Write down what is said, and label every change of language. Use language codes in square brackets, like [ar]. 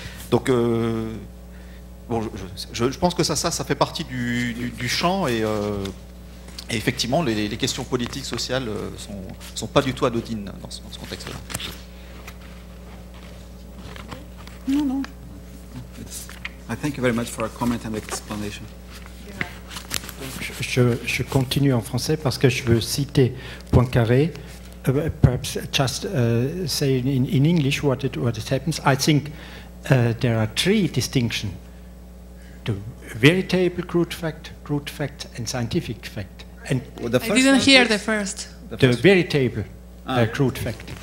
[fr] Donc, je pense que ça fait partie du champ et effectivement, les questions politiques, sociales sont pas du tout anodines dans ce contexte-là. Non. [en] I thank you very much for a comment and explanation. [fr] Je continue en français parce que je veux citer Poincaré. [en] Perhaps just say in English what it happens. I think there are three distinctions: to veritable crude fact, and scientific fact. And well, the first I didn't hear the first. The veritable crude fact.